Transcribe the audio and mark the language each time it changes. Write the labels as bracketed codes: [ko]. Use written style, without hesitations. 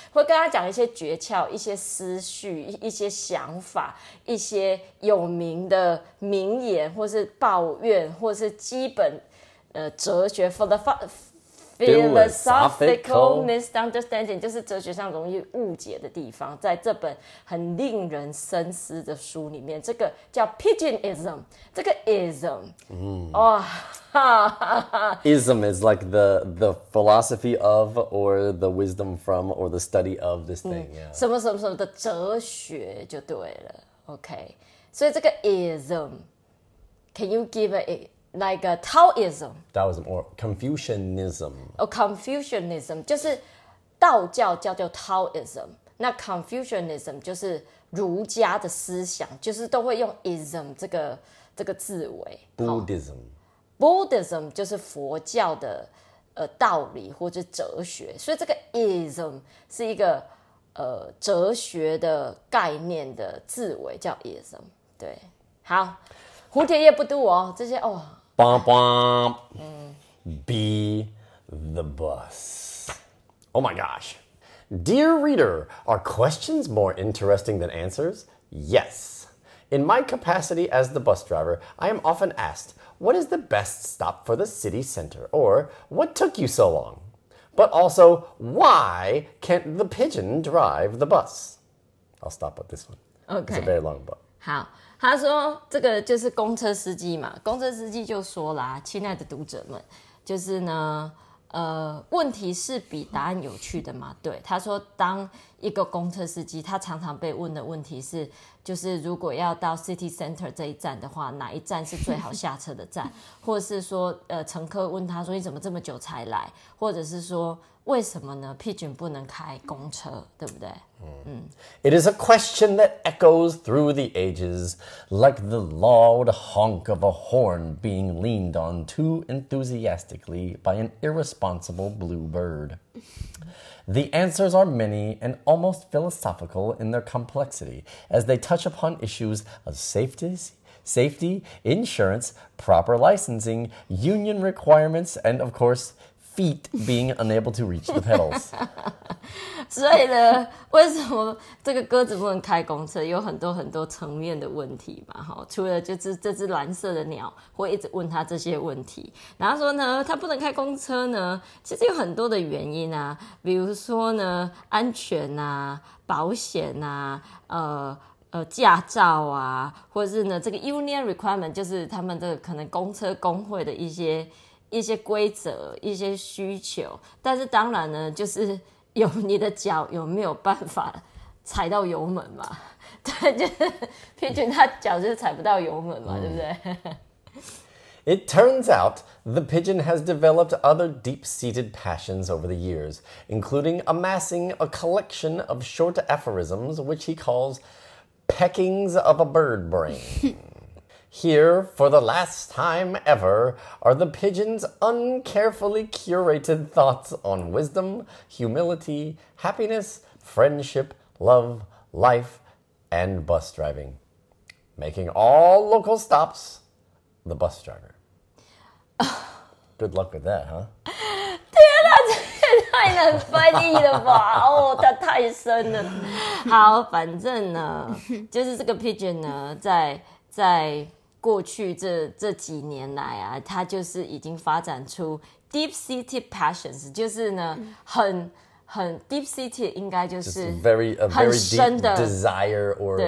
[zh] 会跟他讲一些诀窍，一些思绪，一些想法，一些有名的名言，或是抱怨，或是基本哲学 [en] philosophical [zh] misunderstanding， 就是哲学上容易误解的地方，在这本很令人深思的书里面，这个叫 pigeonism， 这个 ism， 哇。 [en] Ism is like the philosophy of, or the wisdom from, or the study of this thing. [zh] 什么什么什么的哲学就对了。 [en] OK， [zh] 所以这个 [en] ism， can you give a like a Taoism? Taoism or Confucianism? [zh] Oh, Confucianism 就是道教叫做 Taoism， 那 Confucianism 就是儒家的思想，就是都会用 ism 这个字尾。 [en] Buddhism。 [zh] Buddhism 就是佛教的道理或者哲学，所以这个 ism 是一个哲学的概念的字尾叫 ism。对，好，蝴蝶也不读哦，这些哦。 [en] Bump bump. Be the bus. Oh my gosh, dear reader, are questions more interesting than answers? Yes. In my capacity as the bus driver, I am often asked. What is the best stop for the city center? Or, what took you so long? But also, why can't the pigeon drive the bus? I'll stop with this one. Okay. It's a very long book. [zh] 好，他说这个就是公车司机嘛。公车司机就说啦，亲爱的读者们，就是呢，问题是比答案有趣的嘛。对，他说当一个公车司机，他常常被问的问题是，就是如果要到 City Center 这一站的话，哪一站是最好下车的站，或者是说乘客问他说你怎么这么久才来，或者是说为什么呢 Pigeon 不能开公车，对不对？ [en] It is a question that echoes through the ages, like the loud honk of a horn being leaned on too enthusiastically by an irresponsible blue bird. The answers are many and almost philosophical in their complexity, as they touch upon issues of safety, insurance, proper licensing, union requirements, and of course, feet being unable to reach the pedals. [zh] 所以呢，为什么这个鸽子不能开公车？有很多很多层面的问题嘛，哈。除了就是这只蓝色的鸟会一直问他这些问题，然后说呢，他不能开公车呢，其实有很多的原因啊，比如说呢，安全啊，保险啊，驾照啊，或者是呢，这个 union requirement 就是他们的可能公车工会的一些规则、一些需求。但是当然呢，就是有你的脚有没有办法踩到油门嘛？对，就是平均他脚就是踩不到油门嘛，对不对？ [en] It turns out the pigeon has developed other deep-seated passions over the years, including amassing a collection of short aphorisms, which he calls peckings of a bird brain. Here, for the last time ever, are the pigeon's uncarefully curated thoughts on wisdom, humility, happiness, friendship, love, life, and bus driving. Making all local stops, the bus driver. Good luck with that, huh? [zh] 天啊，这也太能翻译了吧！哦，它太深了。好，反正呢，就是这个 pigeon 呢，在过去这几年来啊，它就是已经发展出 [en] deep-seated passions， [zh] 就是呢，很 deep-seated， 应该就是很深的 [en] desire or